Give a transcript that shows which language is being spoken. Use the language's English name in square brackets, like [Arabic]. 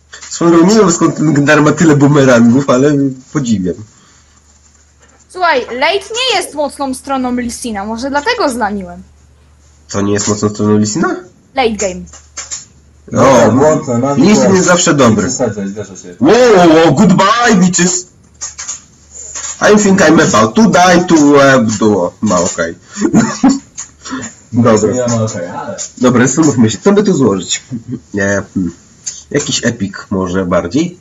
[Polish] Swoją nie wiem, skąd ten Gnar ma tyle bumerangów, ale podziwiam. Słuchaj, Late nie jest mocną stroną Lee Sina, może dlatego zlaniłem. To nie jest mocną stroną Lee Sina? [English] Late game. [Polish] O, Lee Sin jest zawsze dobry. [English] Wow, goodbye, bitches! I think I'm about to die to web duo. [Polish] Ma okej. Dobra. Dobra, zastanówmy się, co by tu złożyć? Nie. Jakiś epic może bardziej?